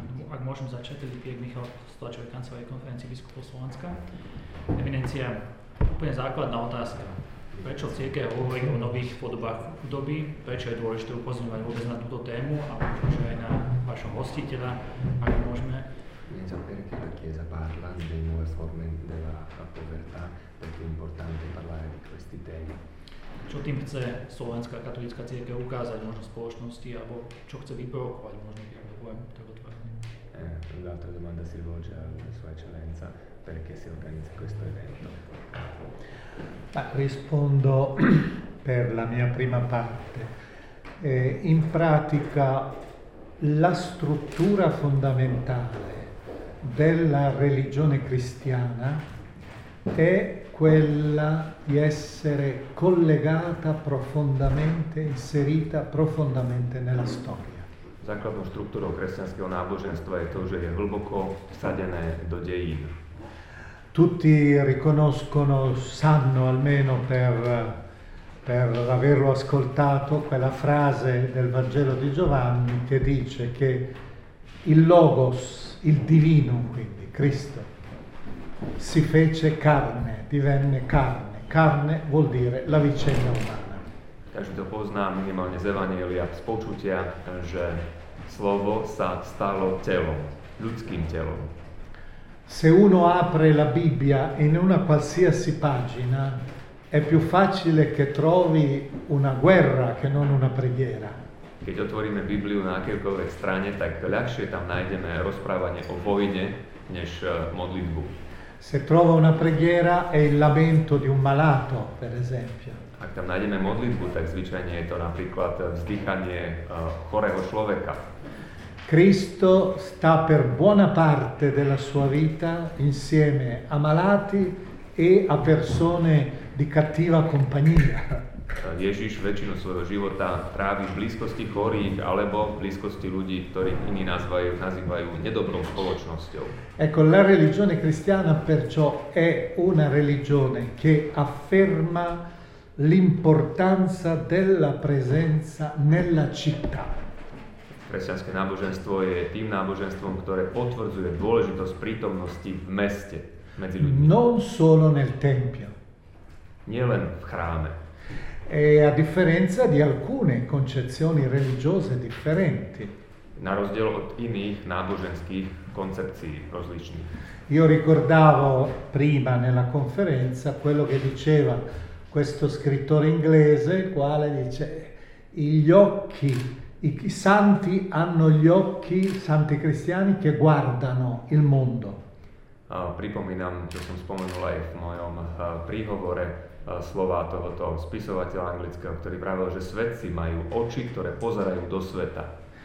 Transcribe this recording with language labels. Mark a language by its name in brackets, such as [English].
[Slovak] Ak môžem začať, tedy je Michal z tlačovej kancelárie konferencie biskupov Slovenska. Eminencia, úplne základná otázka. Prečo v cirkvi hovoríme o nových podobách doby? Prečo je dôležité upozorňovať vôbec na túto tému a možno aj na vašom hostiteľa, ak môžeme? [Italian] Pienso per che la Chiesa parla delle nuove forme della povertà, perché è importante parlare di questi temi. [Slovak] Čo tým chce Slovenská katolícka cirkev ukázať možno spoločnosti, alebo čo chce vyprovokovať možno, ja dovolím, tak otvorene. [Italian] L'altra domanda si rivolge alla sua eccellenza, perché si organizza questo evento. Rispondo per la mia prima parte. In pratica, la struttura fondamentale della religione cristiana è quella di essere collegata profondamente, inserita profondamente nella storia. [Slovak] Základnou štruktúrou kresťanského náboženstva je to, že je hlboko vsadené do dejín. [Italian] Tutti riconoscono, sanno almeno per averlo ascoltato quella frase del Vangelo di Giovanni che dice che il Logos, il divino, quindi Cristo, si fece carne, divenne carne. Carne vuol dire la vicenda umana. [Slovak] Každý pozná minimálne z Evanjelia z počutia, že slovo sa stalo telom, ľudským telom. [Italian] Se uno apre la Bibbia in una qualsiasi pagina, è più facile che trovi una guerra che non una preghiera. [Slovak] Keď otvoríme Bibliu na akejkoľvek strane, tak ľahšie tam nájdeme rozprávanie o vojne, než modlitbu. [Italian] Se trova una preghiera è il lamento di un malato, per esempio. [Slovak] Ak tam nájdeme modlitbu, tak zvyčajne je to napríklad vzdychanie chorého človeka. [Italian] Cristo sta per buona parte della sua vita insieme a malati e a persone di cattiva compagnia. [Slovak] Ježiš väčšinu svojho života trávi v blízkosti chorých alebo v blízkosti ľudí, ktorí iní nazývajú nedobrou spoločnosťou. [Italian] Ecco, la religione cristiana perciò è una religione che afferma l'importanza della presenza nella città. [Slovak] Kresťanské náboženstvo je tým náboženstvom, ktoré potvrdzuje dôležitosť prítomnosti v meste medzi ľuďmi. [Italian] Non solo nel tempio. [Slovak] Nie len v chráme. [Italian] E a differenza di alcune concezioni religiose differenti. [Slovak] Na rozdiel od iných náboženských koncepcií rozličných. [Italian] Io ricordavo prima nella conferenza quello che diceva questo scrittore inglese, quale dice gli occhi, i santi hanno gli occhi, santi cristiani che guardano il mondo. [Slovak] Pripomínam, čo som spomenul aj v mojom príhovore, slova tohoto spisovateľa anglického, ktorý pravil, že svätci majú oči, ktoré pozerajú do sveta.